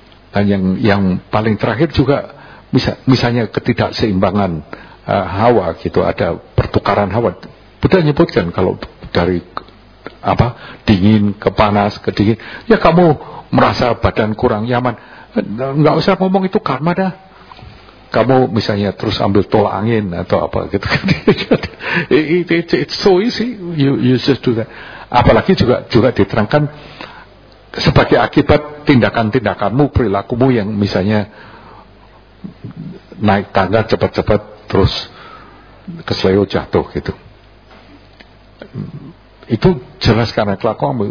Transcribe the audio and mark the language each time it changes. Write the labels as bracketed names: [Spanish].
[Indonesian] Dan yang paling terakhir juga misalnya ketidakseimbangan hawa gitu, ada pertukaran hawa. Buddha nyebutkan kalau dari apa dingin ke panas ke dingin, ya kamu merasa badan kurang nyaman, enggak usah ngomong itu karma dah. Kamu misalnya terus ambil tolak angin atau apa gitu. [English] It's so easy, you just do that. [Indonesian] Apalagi juga diterangkan sebagai akibat tindakan-tindakanmu, perilakumu yang misalnya naik tangga cepat-cepat terus kesleo jatuh gitu. Itu jelas karena kelakuanmu.